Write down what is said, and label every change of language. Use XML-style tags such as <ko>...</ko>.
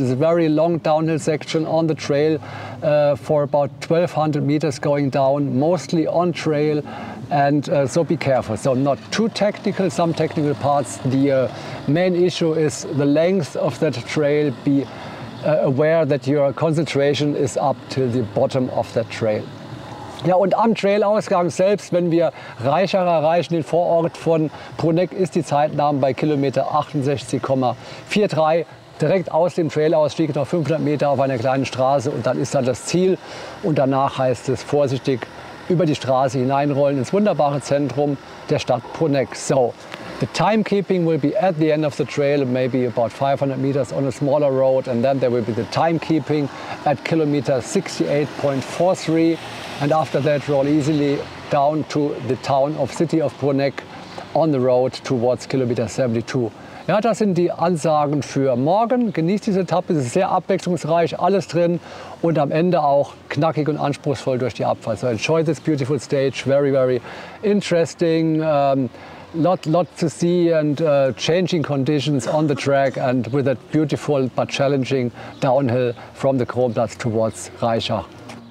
<en>It's a very long downhill section on the trail for about 1200 meters going down, mostly on trail. And so be careful. So not too technical, some technical parts. The main issue is the length of that trail. Be aware that your concentration is up to the bottom of that trail.</en> <de>Ja, und am Trailausgang selbst, wenn wir Reichach erreichen, den Vorort von Bruneck, ist die Zeitnahme bei Kilometer 68,43. Direkt aus dem Trailausstieg noch 500 Meter auf einer kleinen Straße und dann ist da das Ziel. Und danach heißt es vorsichtig über die Straße hineinrollen ins wunderbare Zentrum der Stadt Bruneck.</de> <en>So, the timekeeping will be at the end of the trail, maybe about 500 meters on a smaller road, and then there will be the timekeeping at kilometer 68.43, and after that roll easily down to the town of City of Bruneck on the road towards kilometer 72.</en> <de>Ja, das sind die Ansagen für morgen. Genießt diese Etappe, es ist sehr abwechslungsreich, alles drin und am Ende auch knackig und anspruchsvoll durch die Abfahrt.</de> <en>So enjoy this beautiful stage, very, very interesting. Lot to see and changing conditions on the track and with that beautiful but challenging downhill from the Kronplatz towards Reichach.</en>